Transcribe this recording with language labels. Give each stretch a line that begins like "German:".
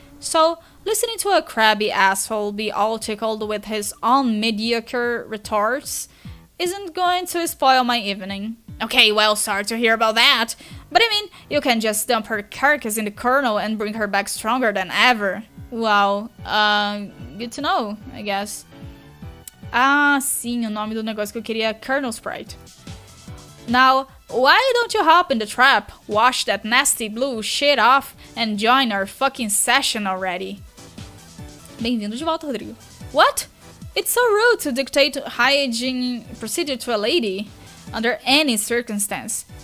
English: So, listening to a crabby asshole be all tickled with his own mediocre retorts isn't going to spoil my evening. Okay, well, sorry to hear about that. But I mean, you can just dump her carcass in the kernel and bring her back stronger than ever. Well, good to know, I guess.
Portuguese: Ah, sim, o nome do negócio que eu queria, Kernel Sprite.
English: Now, why don't you hop in the trap, wash that nasty blue shit off, and join our fucking session already?
Portuguese: Bem-vindo de volta, Rodrigo.
English: What? It's so rude to dictate hygiene procedure to a lady, under any circumstance.